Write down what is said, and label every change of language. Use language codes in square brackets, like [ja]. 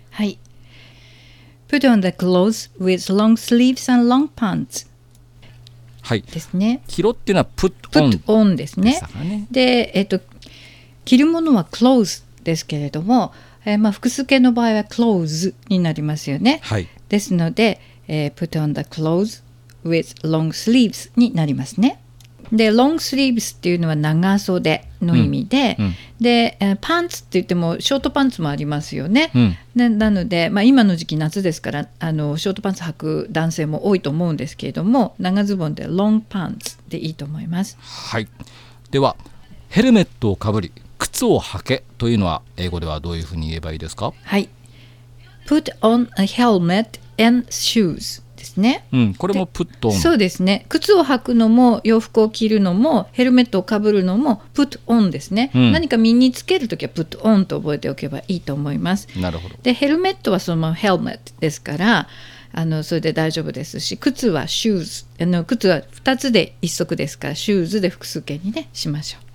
[en] はい、 Put on the clothes with long sleeves and long pants。 [ja] はい、ですね。着ろっていうのは put on ですね。で、着るものは clothes ですけれども、まあ複数形の場合は clothes になりますよね。はい、ですので、 [en] Put on the clothes with long sleeves [ja] になりますね。でロングスリーブスっていうのは長袖の意味で、うん、でパンツって言ってもショートパンツもありますよね、うん、なので、まあ、今の時期夏ですから、あのショートパンツ履く男性も多いと思うんですけれども、長ズボンでロングパンツでいいと思います。はい、ではヘルメットをかぶり靴を履けというのは英語ではどういうふうに言えばいいですか？ [en] はい、 Put on a helmet and shoes [ja] ですね。うん、これもプットオン。そうですね、靴を履くのも洋服を着るのもヘルメットをかぶるのもプットオンですね、うん、何か身につけるときはプットオンと覚えておけばいいと思います。なるほど。でヘルメットはそのままヘルメットですから、あのそれで大丈夫ですし、靴はシューズ、あの靴は2つで1足ですから、シューズで複数形にねしましょう。